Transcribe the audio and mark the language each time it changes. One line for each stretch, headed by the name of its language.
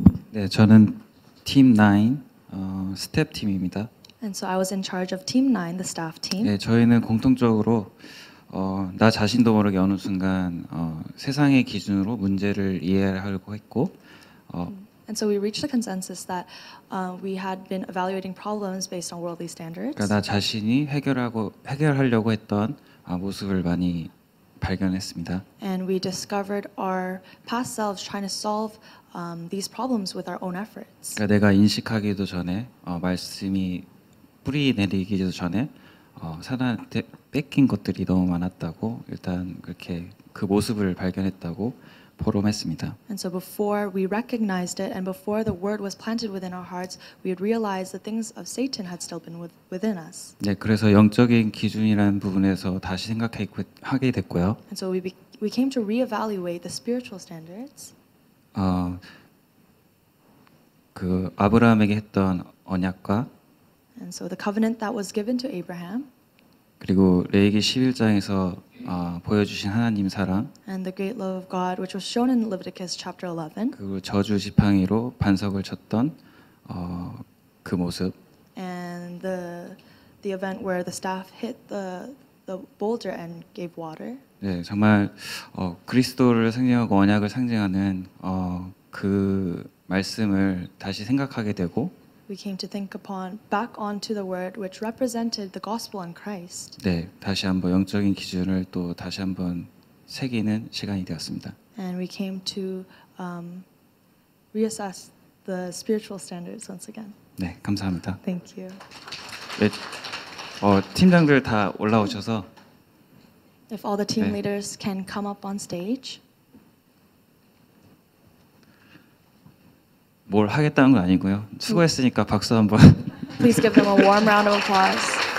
Korean: 네, 저는 팀 9 스텝 팀입니다.
English: And so I was in charge of team 9, the staff team.
Korean: 네, 저희는 공통적으로 나 자신도 모르게 어느 순간 세상의 기준으로 문제를 이해하려고 했고
English: And so we reached a consensus that we had been evaluating problems based on worldly standards.
Korean: 그러니까 나 자신이 해결하려고 했던 모습을 많이 발견했습니다.
English: And we discovered our past selves trying to solve these problems with our own efforts.
Korean: 그러니까 내가 인식하기도 전에 말씀이 뿌리 내리기도 전에 사단한테 뺏긴 것들이 너무 많았다고 일단 그렇게 그 모습을 발견했다고 포럼했습니다.
English: And so before we recognized it and before the word was planted within our hearts, we had realized the things of Satan had still been within us.
Korean: 네, 그래서 영적인 기준이라는 부분에서 다시 생각하게 됐고요.
English: And so we came to reevaluate the spiritual standards.
Korean: 그 아브라함에게 했던 언약과
English: And so the covenant that was given to Abraham
Korean: 그리고 레위기 11장에서 보여주신 하나님 사랑
English: And the great love of God which was shown in Leviticus chapter 11
Korean: 그리고 저주 지팡이로 반석을 쳤던 그 모습
English: And the event where the staff hit the boulder and gave water
Korean: 네, 정말 그리스도를 상징하고 언약을 상징하는 그 말씀을 다시 생각하게 되고
English: We came to think upon back onto the word which represented the gospel and Christ.
Korean: 네, 다시 한번 영적인 기준을 또 다시 한번 새기는 시간이 되었습니다.
English: And we came to reassess the spiritual standards once again.
Korean: 네, 감사합니다.
English: Thank you.
Korean: 네, 팀장들 다 올라오셔서
English: If all the team 네. leaders can come up on stage.
Korean: 뭘 하겠다는 건 아니고요. 수고했으니까 박수 한번.
English: Please give them a warm round of applause.